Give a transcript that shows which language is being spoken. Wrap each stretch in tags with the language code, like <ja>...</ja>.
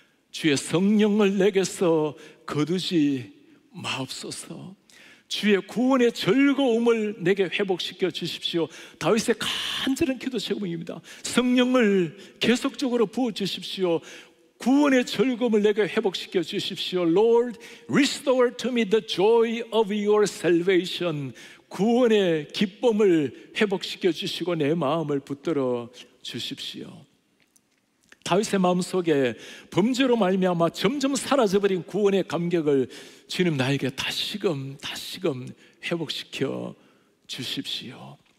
<ko>주의 성령을 내게서 거두지 마옵소서. 주의 구원의 즐거움을 내게 회복시켜 주십시오. 다윗의 간절한 기도 제목입니다. 성령을 계속적으로 부어주십시오. 구원의 즐거움을 내게 회복시켜 주십시오.</ko> <en>Lord, restore to me the joy of your salvation.</en> <ko>구원의 기쁨을 회복시켜 주시고 내 마음을 붙들어 주십시오. 다윗의 마음속에 범죄로 말미암아 점점 사라져버린 구원의 감격을 주님 나에게 다시금 회복시켜 주십시오.</ko>